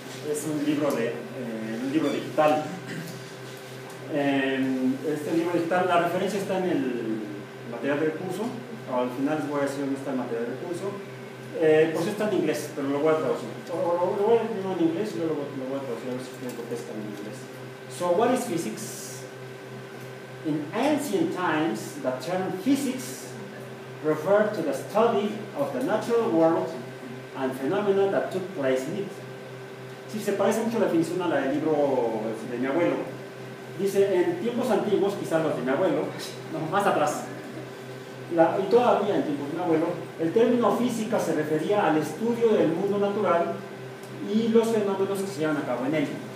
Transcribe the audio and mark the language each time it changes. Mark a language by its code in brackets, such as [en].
[es] Es un libro de un libro digital. Este libro digital, la referencia está en el material del curso. Al final les voy a decir dónde está el material del curso. Pues está en inglés, pero lo voy a traducir. Lo voy a decir en inglés y luego lo voy a traducir a ver si ustedes contestan en inglés. [en] So, what is physics? In ancient times, the term physics referred to the study of the natural world and phenomena that took place in it. [es] Sí, se parece mucho la definición a la del libro de mi abuelo. Dice, en tiempos antiguos, quizás los de mi abuelo, no, más atrás, y todavía en tiempos de mi abuelo, el término física se refería al estudio del mundo natural y los fenómenos que se llevan a cabo en él.